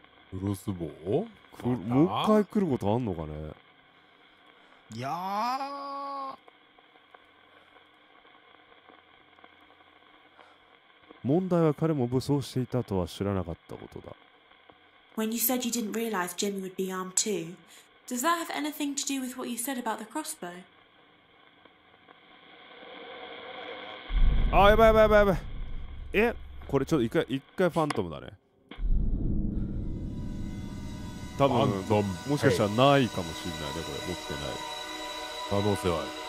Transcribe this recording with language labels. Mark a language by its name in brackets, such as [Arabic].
[Japanese] クロスボウ、ま、もう一回来ることあんのかね。いやー、問題は彼も武装していたとは知らなかったことだ。 [English] When you said you didn't realize Jimmy would be armed too, Does that have anything to do with what you said about the crossbow? [Japanese] あ、やばいやばいやばいやばい。え、これちょっと一回ファントムだね。多分、もしかしたらないかもしれないね、これ持ってない。可能性はある。